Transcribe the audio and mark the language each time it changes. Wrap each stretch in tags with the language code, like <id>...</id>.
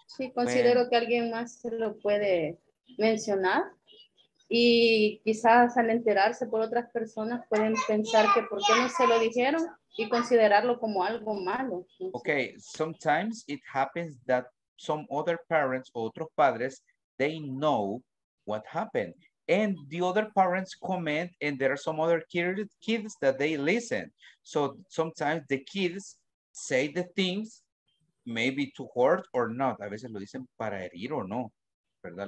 <es>Sí, considero que alguien más se lo puede mencionar y quizás al enterarse por otras personas pueden pensar que por qué no se lo dijeron y considerarlo como algo malo.</es> <en>Okay, sometimes it happens that some other parents or</en> <es>otros padres,</es> <en>they know what happened. And the other parents comment and there are some other kids that they listen. So sometimes the kids say the things maybe to hurt or not.</en> <es>A veces lo dicen para herir o no, ¿verdad?</es>